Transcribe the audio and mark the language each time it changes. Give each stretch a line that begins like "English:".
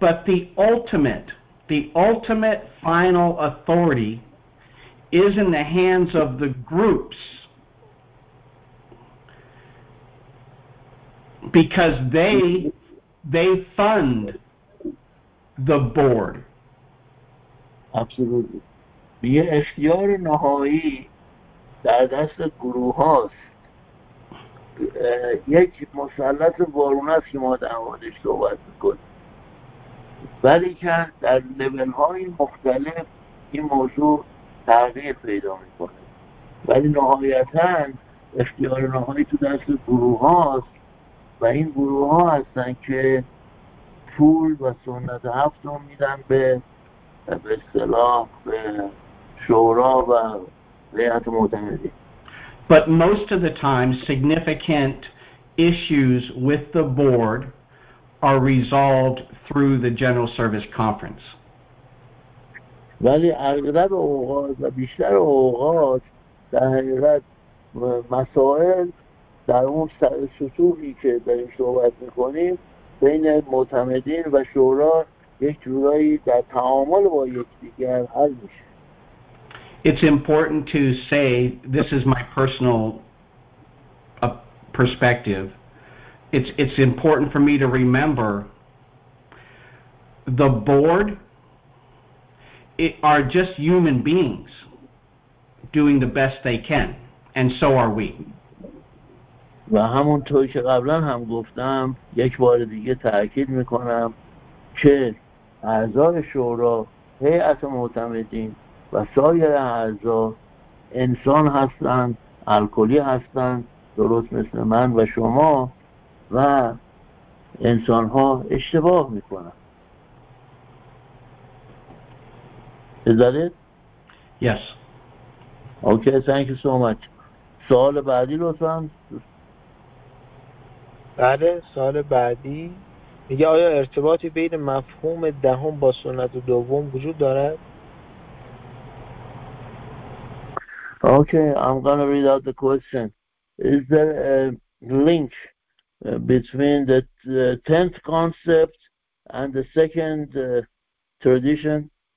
English: But the ultimate final authority is in the hands of the groups, because they fund the board. Absolutely.
Persian: یه اختیار نهایی در دست گروه هاست. یک مسلط وارون است که ما در موردش صحبت میکنیم. ولی که در لیول های مختلف این موضوع تغییر پیدا میکنه. ولی نهایتاً اختیار نهایی تو دست گروه هاست و این گروه ها هستن که پول و سنت هفت رو میدن به اصطلاح به شورا و هیئت معتمدی.
English: But most of the time significant issues with the board are resolved through the General Service Conference.
Persian: ولی اغلب اوقات و بیشتر اوقات در حقیقت مسائل در اون سطوحی که داریم صحبت میکنیم بین معتمدین و شورا یک جورایی در تعامل با یک دیگر حل میشه.
English: It's important to say, this is my personal perspective, it's important for me to remember the board are just human beings doing the best they can, and so are we.
Persian: و همونطور که قبلا هم گفتم یک بار دیگه تأکید میکنم که اعضای شورا هیئت معتمدین و سایر اعضا انسان هستند، الکلی هستند، درست مثل من و شما، و انسان ها اشتباه میکنن.
English: Is that it? Yes. Okay, thank you so much.
Persian: سوال بعدی لطفا. بله، سوال بعدی میگه آیا ارتباطی بین مفهوم دهم با سنت دوم وجود دارد؟
English: Okay, I'm going to read out the question. Is there a link between the 10th concept and the second tradition?